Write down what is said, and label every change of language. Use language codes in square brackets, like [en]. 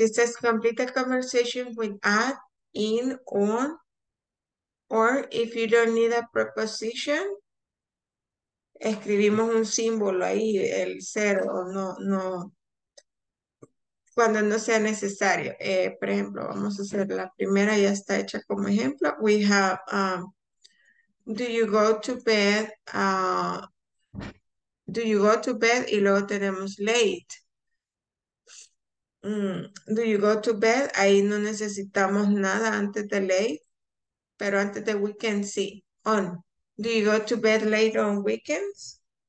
[en] It says complete a conversation with at, in, on, or if you don't need a preposition. [es] Escribimos un símbolo ahí, el cero, no, cuando no sea necesario. Por ejemplo, vamos a hacer la primera, ya está hecha como ejemplo. [en] We have, do you go to bed? [es] Y luego tenemos [en] late. Do you go to bed? [es] Ahí no necesitamos nada antes de late, pero antes de weekend sí, on. [en] Do you go to bed late on weekends?